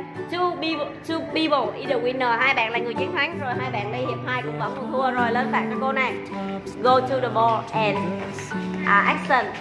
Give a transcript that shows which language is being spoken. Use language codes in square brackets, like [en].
[en] Two people is the winner. [vi] Hai bạn là người chiến thắng. Rồi hai bạn đi hiệp 2 cũng vẫn còn thua. Rồi lên phạt cho cô này. [en] Go to the ball and action.